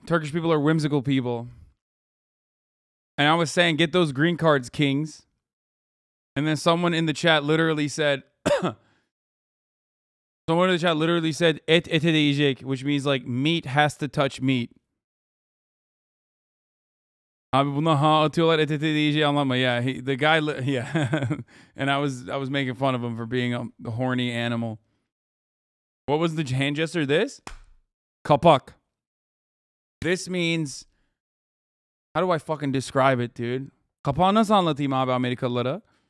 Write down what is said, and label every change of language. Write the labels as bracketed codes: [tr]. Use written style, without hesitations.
[en] Turkish people are whimsical people. And I was saying, get those green cards, kings. And then someone in the chat literally said, [tr] et ete değecek, [en] which means like meat has to touch meat. [tr] Abi buna ha atıyorlar et ete değeceği anlama. [en] Yeah, the guy, and I was making fun of him for being a horny animal. What was the hand gesture? This? Kapak. This means, how do I fucking describe it, dude? [tr] Kapağı nasıl anlatayım abi Amerikalılara?